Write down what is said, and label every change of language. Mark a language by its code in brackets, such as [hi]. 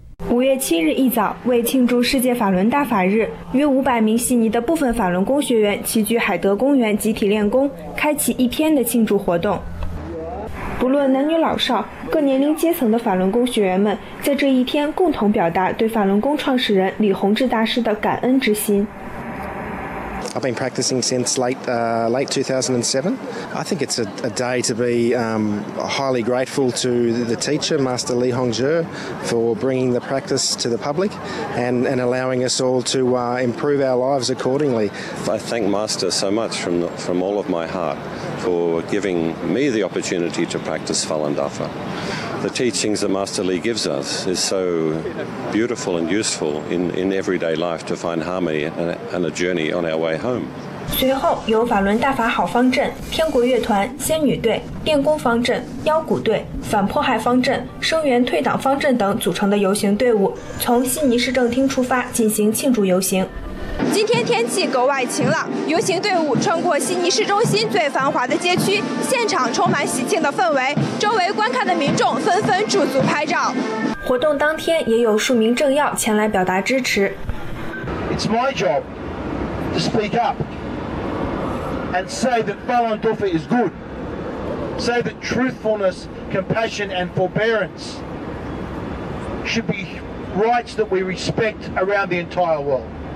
[zh] 5月7日一早，为庆祝世界法轮大法日，约500名悉尼的部分法轮功学员齐聚海德公园集体练功，开启一天的庆祝活动。不论男女老少，各年龄阶层的法轮功学员们在这一天共同表达对法轮功创始人李洪志大师的感恩之心。 [en] I've been practicing since late 2007. I think it's a day to be highly grateful to the teacher, Master Li Hongzhi, for bringing the practice to the public and allowing us all to improve our lives accordingly. I thank Master so much from all of my heart for giving me the opportunity to practice Falun Dafa. The teachings that Master Li gives us is so beautiful and useful in everyday life to find harmony and a journey on our way. [zh] 随后由法轮大法好方阵、天国乐团、仙女队、练功方阵、妖骨队、反迫害方阵、声援退党方阵等组成的游行队伍从悉尼市政厅出发进行庆祝游行。今天天气格外晴朗，游行队伍穿过悉尼市中心最繁华的街区，现场充满喜庆的氛围，周围观看的民众纷纷驻足拍照。活动当天也有数名政要前来表达支持。 [en] It's my jobTo speak up and say that Falun Dafa is good. Say that truthfulness, compassion, and forbearance should be rights that we respect around the entire world.